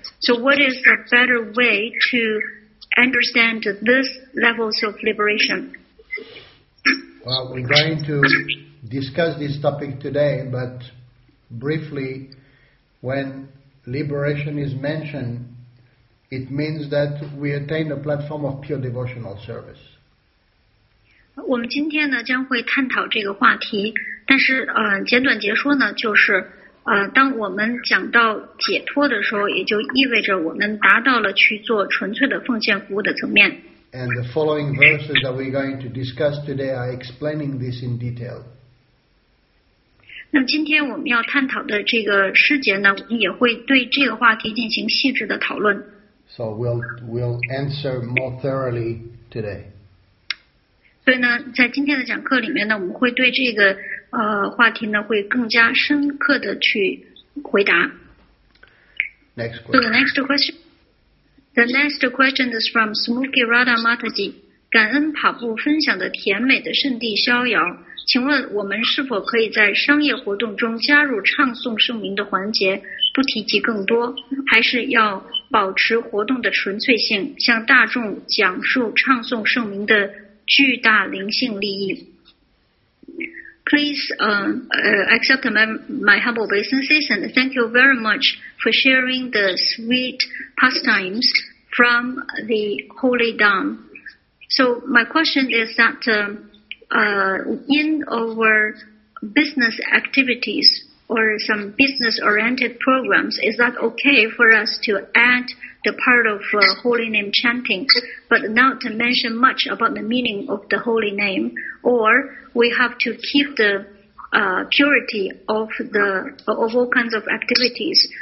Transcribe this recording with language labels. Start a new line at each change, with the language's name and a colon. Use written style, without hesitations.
English: So what is a better way to understand this levels of liberation? Well, we're going to discuss this topic today, but briefly, when liberation is mentioned, it means that we attain a platform of pure devotional service.
Chinese: 我们今天呢将会探讨这个话题，但是简短结说呢，就是当我们讲到解脱的时候，也就意味着我们达到了去做纯粹的奉献服务的层面。
English: And the following verses that we're going to discuss today are explaining this in detail.
Chinese: 那今天我们要探讨的这个诗节呢，我们也会对这个话题进行细致的讨论。
English: So we'll answer more thoroughly today.
Chinese: 所以呢，在今天的讲课里面呢，我们会对这个话题呢，会更加深刻的去回答。
English: Next question. So the next question. The next question is from Smoky Radha Mataji.
Chinese: 感恩跑步分享的甜美的圣地逍遥。请问我们是否可以在商业活动中加入唱诵圣名的环节，不提及更多，还是要保持活动的纯粹性，向大众讲述唱诵圣名的巨大灵性利益？
English: Please accept my humble obeisances and thank you very much. For sharing the sweet pastimes from the Holy Dham. So my question is that in our business activities or some business-oriented programs, is that okay for us to add the part of holy name chanting, but not to mention much about the meaning of the holy name, or we have to keep thepurity of all kinds of activities.